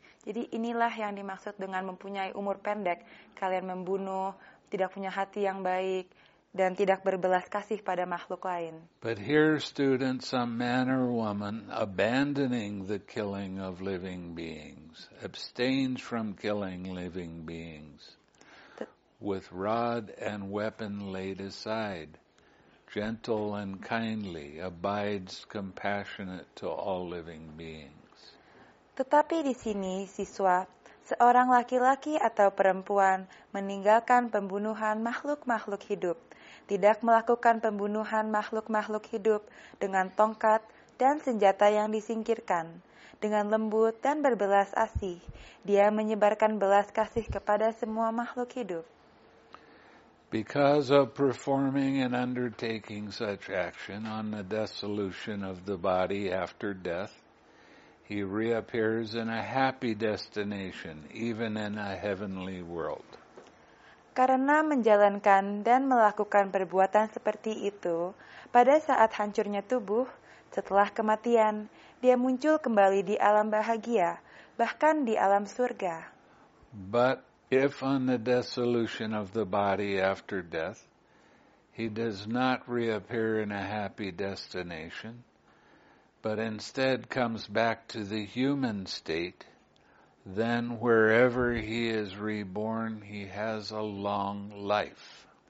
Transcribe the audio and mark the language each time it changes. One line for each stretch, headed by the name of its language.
Indonesian: Jadi inilah yang dimaksud dengan mempunyai umur pendek. Kalian membunuh, tidak punya hati yang baik, dan tidak berbelas kasih pada makhluk lain.
English: But here, students, some man or woman abandoning the killing of living beings, abstains from killing living beings, with rod and weapon laid aside, gentle and kindly, abides compassionate to all living beings.
Indonesian: Tetapi di sini, siswa, seorang laki-laki atau perempuan meninggalkan pembunuhan makhluk-makhluk hidup, tidak melakukan pembunuhan makhluk-makhluk hidup dengan tongkat dan senjata yang disingkirkan. Dengan lembut dan berbelas asih, dia menyebarkan belas kasih kepada semua makhluk hidup.
English: Because of performing and undertaking such action on the dissolution of the body after death, he reappears in a happy destination, even in a heavenly world.
Indonesian: Karena menjalankan dan melakukan perbuatan seperti itu, pada saat hancurnya tubuh, setelah kematian, dia muncul kembali di alam bahagia, bahkan di alam surga.
English: But if on the dissolution of the body after death, he does not reappear in a happy destination, but instead comes back to the human state, then wherever he is reborn, he has a long life.